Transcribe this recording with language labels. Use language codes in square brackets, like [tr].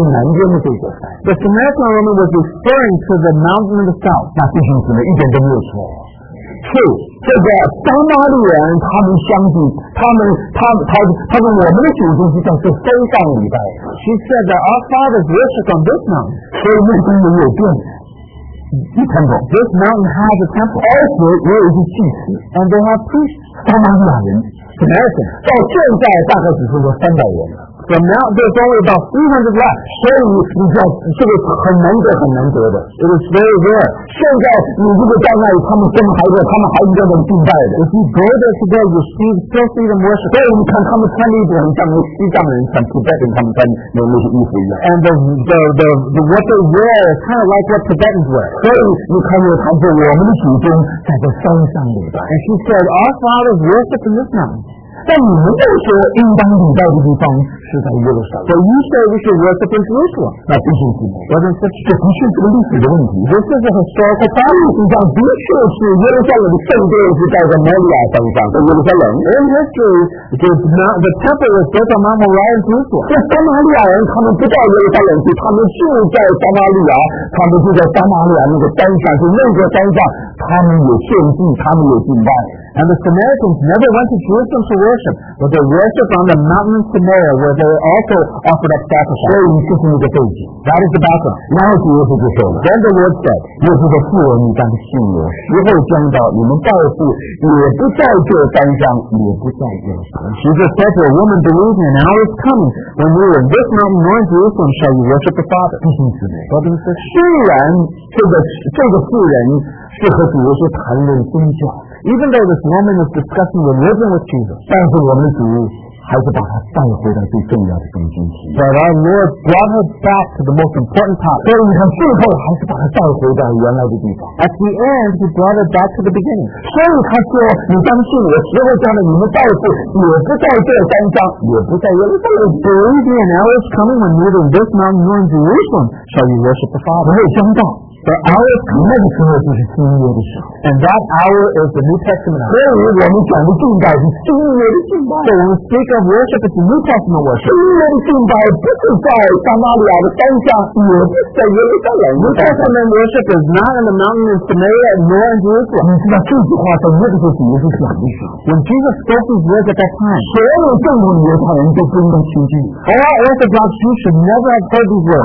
[en] The Samaritan woman was referring to the mountain in the south. [zh] 那弟兄姊妹一点都没有错。是这个撒玛利亚人，他们相信，他们我们的祖宗是在这山上礼拜。 [en] She said that our fathers worship on this mountain. [zh] 所以为什么有殿？一 temple. [en] This mountain has a temple. [zh] 而且也有一些祭司。 [en] And they have priests. [zh] 撒玛利亚人。到现在大概只剩下三百人了。 [en] From now there's only about 300 left. [zh] 所以你知道这个很难得很难得的。 [en] It is very rare. [zh] 现在你如果到那里，他们真的还在，他们还应该能敬拜的。 [en] If you go there today, you still see them worship. [zh] 所以你看他们穿的衣服很像那西藏人穿Tibetan他们穿的那些衣服一样。 [en] And the what they wear is kind of like what Tibetans wear. [zh] 所以你看到他们说我们的祖宗在这山上礼拜。 [en] And she said, our fathers worship in this mountain. [zh] 但你们都说应当礼拜的地方是在耶路撒冷。 [en] So you say we should worship in Jerusalem. [zh] 那不是什么？我认为这不是什么历史的问题。 [en] This is a historical fact. [zh] 你讲的确是耶路撒冷的圣殿是在玛利亚山上，在耶路撒冷。 [en] In history, the temple was built on Mount Moriah in Jerusalem. [zh] 这撒玛利亚人他们不到耶路撒冷去，他们住在撒玛利亚，他们住在撒玛利亚那个山上，是那个山上，他们有献祭，他们有敬拜。 [en] And the Samaritans never went to Jerusalem to worship, but they worshiped on the mountain of Samaria, where they also offered up sacrifices. That is the background. Then the Lord said, [zh] 耶和华父，你当信我，时候将到，你们到处也不在这山上，也不在这山。 [en] She said to a woman, believe me, an hour is coming when you in this mountain nor in Jerusalem shall you worship the Father. [zh] 弟兄姊妹，说的是虽然这个妇人是和主耶稣谈论宗教。 [en] Even though this woman is discussing religion with Jesus, [zh] 但是我们主还是把她带回到最重要的中心去。 [en] But our Lord brought her back to the most important part. [zh] 所以你看，最后还是把她带回到原来的地方。 [en] At the end, he brought her back to the beginning. [zh] 所以他说，你相信我，时候将来你们再次也不在这山上，也不在耶路撒冷。 [en] Believe me, an hour is coming when neither in this mountain nor in Jerusalem shall you worship the Father. [zh] 没有想到。 [en] The hour is coming. [zh] 那个时候就是新约的时候。 [en] And that hour is the New Testament hour. [zh] 所以我们讲的敬拜是新约的敬拜。 [en] So we speak of worship as New Testament worship. [zh] 新约的敬拜不是在撒玛利亚的山上，也不是在耶路撒冷。 [en] New Testament worship is not in the mountain in Samaria, nor in Jerusalem. [zh] 你知道这句话在那个时候主耶稣讲的时候。 [en] When Jesus spoke his words at that time, [zh] 所有正统的犹太人都不应该听进 [en] 去。All Orthodox Jews should never have heard these words.